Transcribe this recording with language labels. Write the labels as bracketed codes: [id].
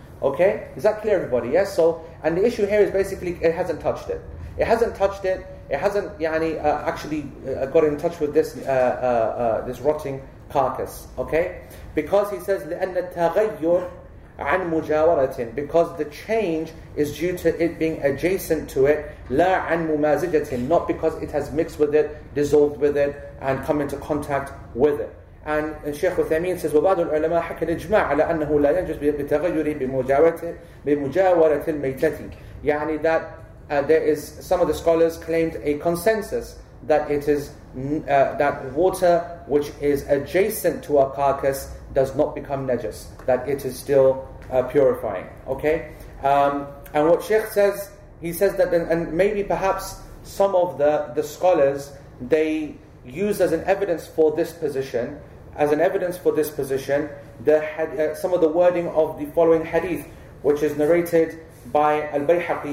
[en] Okay, is that clear, everybody? Yes. So, and the issue here is basically it hasn't touched it, yani, actually got in touch with this rotting carcass. Okay, because he says [ar] لأن التغير عن مجاورة, [en] because the change is due to it being adjacent to it, [ar] لا عن ممازجة, [en] not because it has mixed with it, dissolved with it, and come into contact with it. And Sheikh Uthaymeen says, [ar] وبعض العلماء حكى الإجماع على أنه لا ينجس بتغير بمجاورة الميتة. [en] يعني that there is, some of the scholars claimed a consensus that it is that water which is adjacent to a carcass does not become najis, that it is still purifying. Okay, and what Sheikh says, he says that then, and maybe perhaps some of the scholars, they used as an evidence for this position, some of the wording of the following hadith, which is narrated by Al-Bayhaqi.